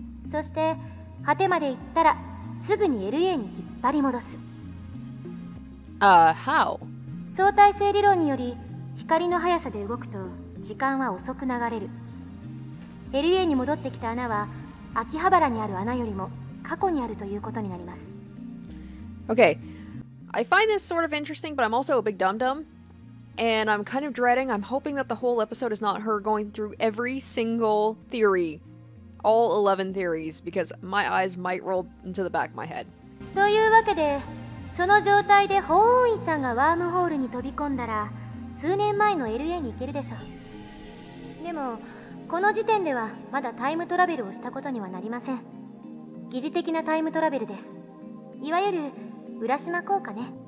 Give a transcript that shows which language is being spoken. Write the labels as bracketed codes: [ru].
[ja] そして果てまで行ったら、すぐに LA に引っ張り戻す。 [en] How? [ja] 相対性理論により、光の速さで動くと、時間は遅く流れる。エリエに戻ってきた穴は秋葉原にある穴よりも過去にあるということになります。 [en] Okay, I find this sort of interesting, but I'm also a big dum-dum. And I'm kind of dreading, I'm hoping that the whole episode is not her going through every single theory. All 11 theories, because my eyes might roll into the back of my head. [ja] というわけで、その状態で保温員さんがワームホールに飛び込んだら、数年前の LA に行けるでしょう。でも、この時点ではまだタイムトラベルをしたことにはなりません。疑似的なタイムトラベルです。いわゆる浦島効果ね。